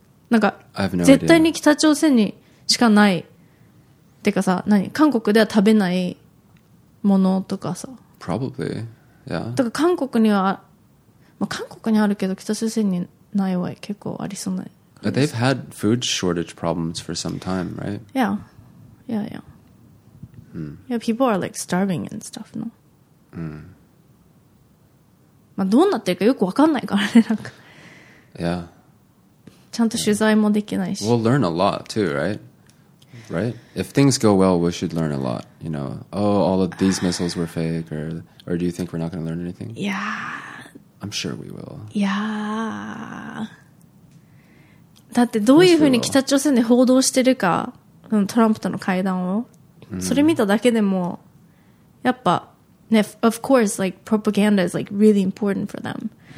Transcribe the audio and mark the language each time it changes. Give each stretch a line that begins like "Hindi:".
Japanese: なんか、
English: no、
Japanese: 絶対に北朝鮮にしかないってかさ、何韓国では食べないものとかさ、
English: probably、yeah、
Japanese: だから韓国には、まあ、韓国にあるけど北朝鮮にないわ、結構ありそうな、
English: but they've had food shortage problems for some time, right? Yeah, yeah, yeah.、 Mm. Yeah, people are like starving and stuff, no?、 Mm.
Japanese: まあどうなってるかよくわかんないからね、なんか、
English: yeah。
Japanese: ちゃんと取材もできないし。
English: We'll learn a lot too, right? Right? If things go well, we should learn a lot. You know, oh, all of these missiles were fake, or do you think we're not going to learn anything? Yeah, I'm sure we will.
Japanese: Yeah. だってどういうふうに北朝鮮で報道してるか、トランプとの会談を、それ見ただけでも、やっぱ、ね、
English: of course, like, propaganda is, like, really important for them.